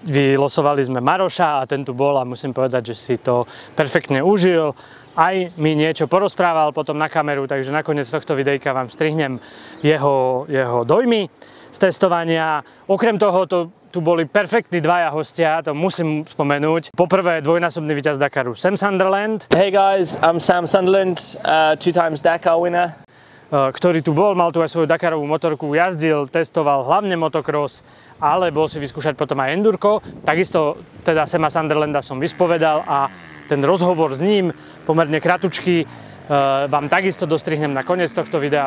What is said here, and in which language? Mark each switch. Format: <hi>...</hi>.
<sk>Vylosovali sme Maroša a ten tu bol a musím povedať, že si to perfektne užil. Aj mi niečo porozprával potom na kameru, takže nakoniec tohto videjka vám strihnem jeho dojmy z testovania. Okrem toho, to tu boli perfektní dvaja hostia, to musím spomenúť. Poprvé dvojnásobný víťaz Dakaru, Sam Sunderland.</sk> <en>Hey guys, I'm Sam Sunderland, two times Dakar winner.</en> <sk>Ktorý tu bol, mal tu aj svoju Dakarovú motorku, jazdil, testoval hlavne motocross, ale bol si vyskúšať potom aj endurko. Takisto teda Sama Sunderlanda som vyspovedal a ten rozhovor s ním, pomerne kratučký, vám takisto dostrihnem na koniec tohto videa.</sk>